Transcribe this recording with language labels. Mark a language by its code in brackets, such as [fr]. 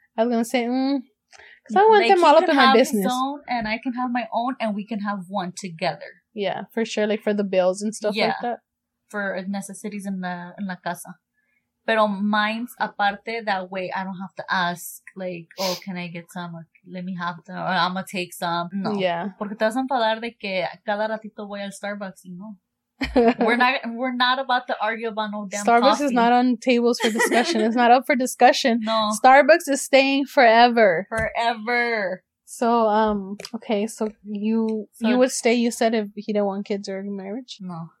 [en] I was going to say, because I want them all up in my business. His own, and I can have my own, and we can have one together. Yeah, for sure. Like, for the bills and stuff like that. For necessities in [es] la casa. Pero [en] mine's [es] aparte, [en] that way I don't have to ask, like, oh, can I get some? Or, let me have to, or I'm going to take some. No. Yeah. [es] Porque te vas a enfadar de que cada ratito voy al Starbucks, y no. [en] We're not about to argue about no damn Starbucks coffee. Is not on tables for discussion. It's not up for discussion. No. Starbucks is staying forever. Forever. So, okay, so you would stay, you said, if he didn't want kids or marriage? No.